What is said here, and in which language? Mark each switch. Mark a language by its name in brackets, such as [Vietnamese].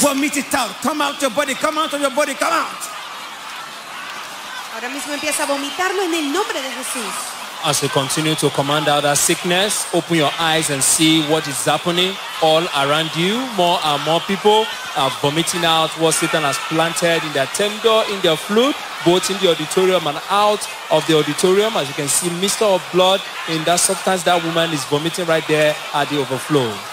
[English] Vomit it out, come out your body, come out of your body, come out. [Spanish] Ahora mismo empieza a vomitarlo en el nombre de Jesús. [English] As you continue to command out that sickness, open your eyes and see what is happening all around you. More and more people are vomiting out what Satan has planted in their tender, in their fluid, both in the auditorium and out of the auditorium. As you can see, mist of blood in that substance that woman is vomiting right there at the overflow.